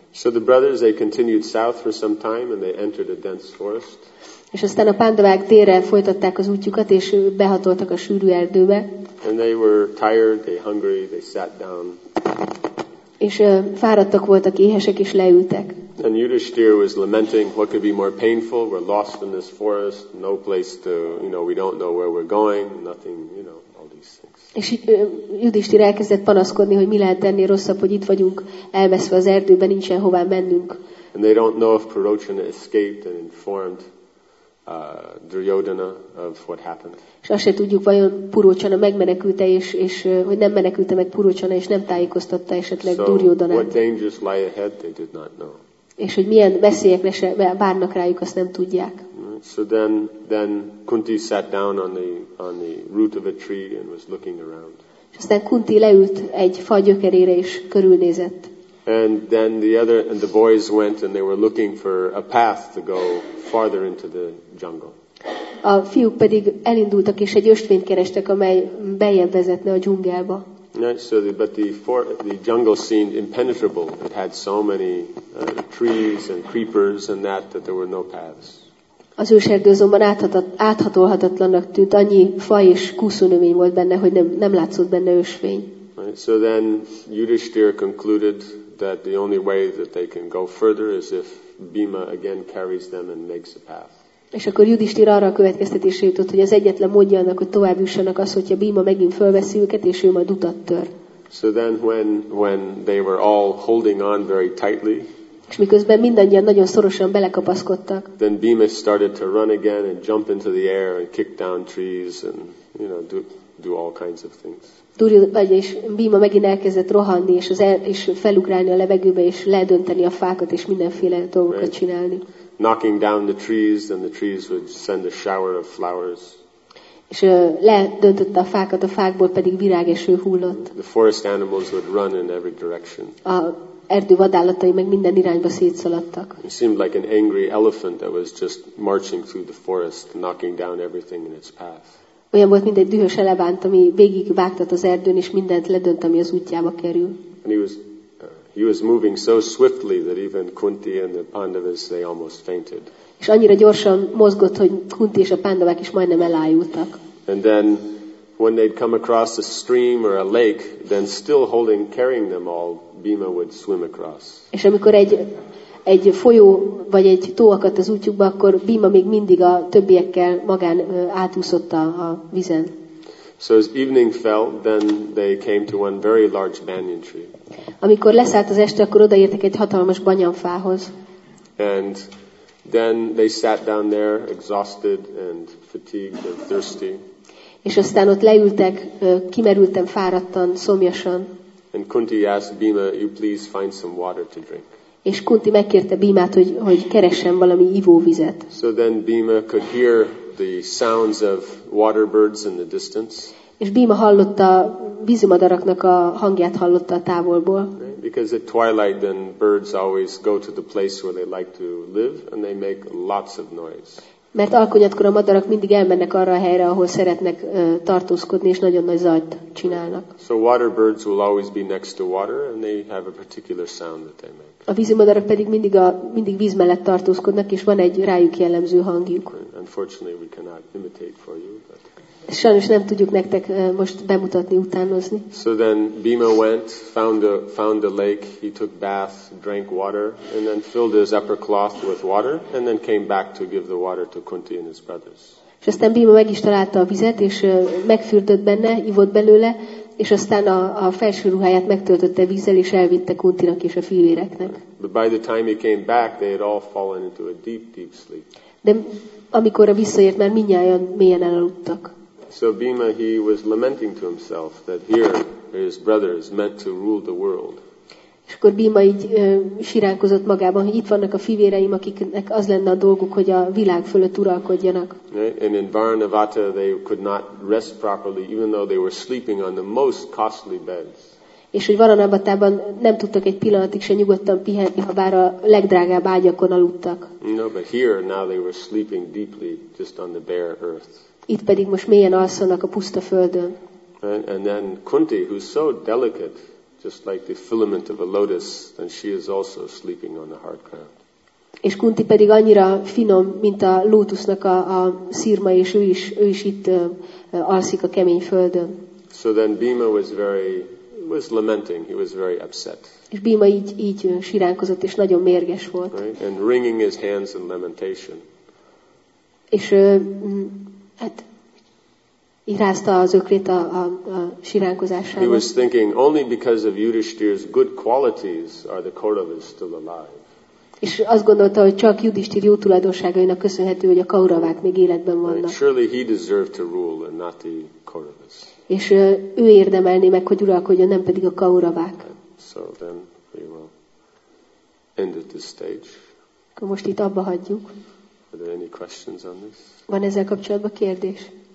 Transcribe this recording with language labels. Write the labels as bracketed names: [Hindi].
[English] So the brothers, they continued south for some time, and they entered a dense forest. [Hungarian] És aztán a pándavák délre folytatták az útjukat, és behatoltak a sűrű erdőbe. [English] And they were tired, they hungry, they sat down. [Hungarian] És fáradtak voltak, éhesek, és leültek. [English] And Yudhishthir was lamenting, what could be more painful? We're lost in this forest, no place to, you know, we don't know where we're going, nothing, you know, all these things. [Hungarian] És Yudhishthir elkezdett panaszkodni, hogy mi lehet ennél rosszabb, hogy itt vagyunk, elveszve az erdőben, nincsen hová mennünk. [English] And they don't know if Purochana escaped and informed Duryodhana of what happened. [Hungarian] És azt se tudjuk, vajon Purochana megmenekült-e, és hogy nem menekült-e meg Purochana, és nem tájékoztatta esetleg Duryodhanát. [English] So what dangers lie ahead, they did not know. [Hungarian] És hogy milyen veszélyek várnak rájuk, azt nem tudják. [English] So then Kunti sat down on the root of a tree and was looking around. [Hungarian] És aztán Kunti leült egy fa gyökerére és körülnézett. [English] And then the boys went and they were looking for a path to go farther into the jungle. [Hungarian] A fiúk pedig elindultak és egy ösvényt kerestek, amely beljebb vezetne a dzsungelbe. [English] Right, so the jungle seemed impenetrable. It had so many trees and creepers and that there were no paths. [Hungarian] Az őserdő azonban áthatolhatatlannak tűnt. Annyi fa és kúszónövény volt benne, hogy nem látszott benne ösvény. [English] Right, so then Yudhishthir concluded that the only way that they can go further is if Bhima again carries them and makes a path. [Hungarian] És akkor Yudhishthir arra a következtetésre jutott, hogy az egyetlen módja annak, hogy tovább jussanak, az, hogyha Bhima megint fölveszi őket, és ő majd utat tör. [English] So then when they were all holding on very tightly, [Hungarian] és miközben mindannyian nagyon szorosan belekapaszkodtak, [English] then Bhima started to run again and jump into the air and kick down trees and, you know, do all kinds of things. [Hungarian] És Bhima megint elkezdett rohanni, és felugrálni a levegőbe, és ledönteni a fákat, és mindenféle dolgokat right. csinálni. [English] Knocking down the trees, then the trees would send a shower of flowers. [Hungarian] És ledöntötte a fákat, a fákból pedig virágeső hullott. [English] The forest animals would run in every direction. [Hungarian] A erdő vadállatai meg minden irányba szétszaladtak. [English] It seemed like an angry elephant that was just marching through the forest, knocking down everything in its path. [Hungarian] Olyan volt, mint egy dühös elevánt, ami végig vágtat az erdőn, és mindent ledönt, ami az útjába kerül. [English] And he was moving so swiftly that even Kunti and the Pandavas, they almost fainted. [Hungarian] És annyira gyorsan mozgott, hogy Kunti és a Pandavák is majdnem elájultak. [English] And then when they'd come across a stream or a lake, then still holding, carrying them all, Bhima would swim across. [Hungarian] És amikor egy folyó vagy egy tó akadt az útjukba, akkor Bhima még mindig a többiekkel magán átúszott a vízen. [English] So as evening fell, then they came to one very large banyan tree. [Hungarian] Amikor leszállt az este, akkor odaértek egy hatalmas banyanfához. [English] And then they sat down there, exhausted and fatigued and thirsty. [Hungarian] És aztán ott leültek, kimerülten, fáradtan, szomjasan. [English] And Kunti asked Bhima, "You please find some water to drink." [Hungarian] És Kunti megkérte Bhimát, hogy keressen valami ivóvizet. [English] So then Bhima could hear the sounds of water birds in the distance. [Hungarian] És Bhima hallotta vízimadaraknak a hangját, hallotta a távolból. [English] Because at twilight then birds always go to the place where they like to live and they make lots of noise. [Hungarian] Mert alkonyatkor a madarak mindig elmennek arra a helyre, ahol szeretnek tartózkodni, és nagyon nagy zajt csinálnak. [English] So water birds will always be next to water and they have a particular sound that they make. [Hungarian] A vízimadarak pedig mindig víz mellett tartózkodnak, és van egy rájuk jellemző hangjuk. [English] Unfortunately we cannot imitate for you, but [Hungarian] sajnos nem tudjuk nektek most bemutatni, utánozni. [English] So then Bhima went, found a lake, he took bath, drank water, and then filled his upper cloth with water, and then came back to give the water to Kunti and his brothers. [Hungarian] És aztán Bhima meg is találta a vizet, és megfürdött benne, ivott belőle, és aztán a felső ruháját megtöltötte vízzel, és elvitte Kuntinak és a fivéreknek. [English] But by the time he came back, they had all fallen into a deep, deep sleep. [Hungarian] De amikor visszaért, már mindnyájan mélyen elaludtak. [English] So Bhima, he was lamenting to himself that here his brother is meant to rule the world. [Hungarian] És akkor Bhima így siránkozott magában, hogy itt vannak a fivéreim, akiknek az lenne a dolguk, hogy a világ fölött uralkodjanak. [English] And in Varnavata they could not rest properly, even though they were sleeping on the most costly beds. [Hungarian] És hogy Varanabatában nem tudtak egy pillanatig se nyugodtan pihenni, ha bár a legdrágább ágyakon aludtak. [English] No, but here now they were sleeping deeply just on the bare earth. [Hungarian] Itt pedig most mélyen alszanak a puszta földön. [English] And then Kunti, who's so delicate, just like the filament of a lotus, then she is also sleeping on the hard ground. [Hungarian] És Kunti pedig annyira finom, mint a lótusznak a szirma, és ő is itt alszik a kemény földön. [English] So then Bhima was lamenting, he was very upset. [Hungarian] És Bhima így siránkozott, és nagyon mérges volt. [English] Right? And wringing his hands in lamentation. [Hungarian] És hát irázta az ökrét a siránkozásával. [English] He was thinking, only because of Yudhishthir's good qualities are the Kauravas still alive. [Hungarian] És azt gondolta, hogy csak Yudhishthir jó tulajdonságainak köszönhető, hogy a Kauravák még életben vannak. [English] Surely he deserved to rule and not the Kauravas. [Hungarian] És ő érdemelné meg, hogy uralkodjon, nem pedig a Kauravák. [English] So then we will end at this stage. [Hungarian] Akkor most itt abba hagyjuk. [English] Are there any questions on this? [Hungarian] Van ezzel kapcsolatban kérdés?